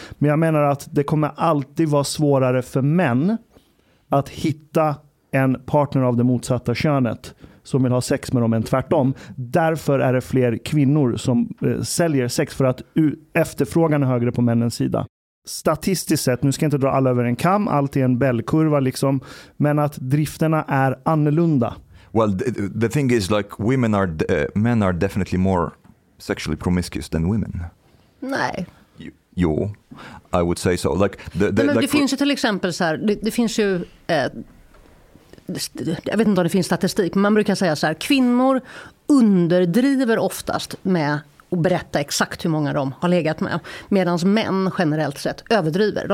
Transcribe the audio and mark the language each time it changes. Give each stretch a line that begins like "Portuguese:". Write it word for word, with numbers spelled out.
Swedish: Men jag menar att det kommer alltid vara svårare för män att hitta en partner av det motsatta könet som vill ha sex med dem än tvärtom. Därför är det fler kvinnor som eh, säljer sex, för att u- efterfrågan är högre på männens sida. Statistiskt sett, nu ska jag inte dra alla över en kam, allt är en bällkurva liksom, men att drifterna är annorlunda.
English: Well, the, the thing is like women are uh, men are definitely more sexually promiscuous than women.
Swedish: Nej. Jo,
English: I would say so. Like the, the,
Swedish: Nej, men
English: like
Swedish: det for... finns ju till exempel så här, det, det finns ju eh, jag vet inte om det finns statistik, men man brukar säga så här: kvinnor underdriver oftast med att berätta exakt hur många de har legat med, medan män generellt sett överdriver.